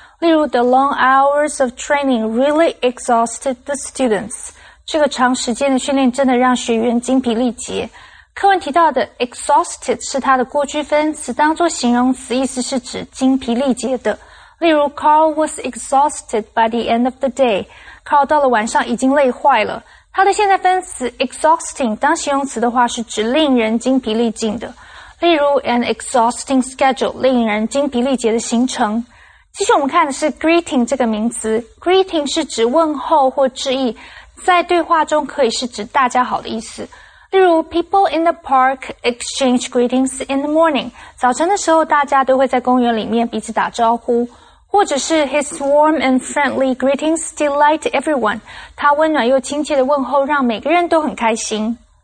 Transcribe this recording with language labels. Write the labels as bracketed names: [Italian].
[Chinese] 例如 [English] ,the long hours of training really exhausted the students. [Chinese] 这个长时间的训练真的让学员精疲力竭。课文提到的 exhausted 是它的过去分词，当作形容词意思是指精疲力竭的。例如 [English] ,Carl was exhausted by the end of the day. [Chinese] Carl 到了晚上已经累坏了。它的现在分词 exhausting 当形容词的话是指令人精疲力尽的，例如 [English] an exhausting schedule [Chinese] 令人精疲力竭的行程。继续我们看的是 greeting 这个名词， greeting 是指问候或致意，在对话中可以是指大家好的意思。例如 [English] people in the park exchange greetings in the morning， [Chinese] 早晨的时候大家都会在公园里面彼此打招呼。或者是 [English] his warm and friendly greetings delight everyone. [Chinese] 他温暖又亲切的问候让每个人都很开心。